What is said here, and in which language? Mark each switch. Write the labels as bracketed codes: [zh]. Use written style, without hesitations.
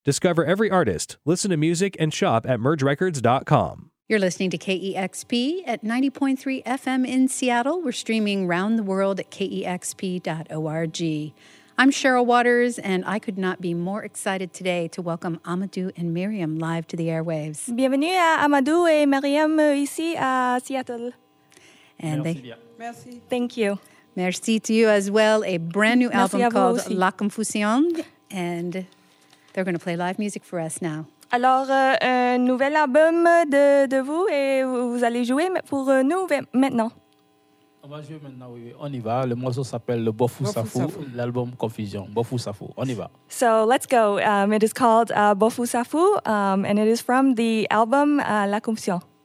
[en] Discover every artist, listen to music, and shop at mergerecords.com. You're listening to KEXP at 90.3 FM in Seattle. We're streaming round the world at kexp.org. I'm Cheryl Waters, and I could not be more excited today to welcome Amadou and Miriam live to the airwaves. [fr] Bienvenue à Amadou et Miriam ici à Seattle. [en] And merci. [fr] Merci. [en] Thank you. Merci to you as well. A brand new album called La Confusion, and they're going to play live music for us now. [fr] Alors, un nouvel album de vous, et vous allez jouer pour nous maintenant. On va jouer maintenant, oui. On y va. Le morceau s'appelle Le Bofou Safou, l'album Confusion. Bofou Safou, on y va. [en] So, let's go. It is called Bofou Safou, and it is from the album La Confusion.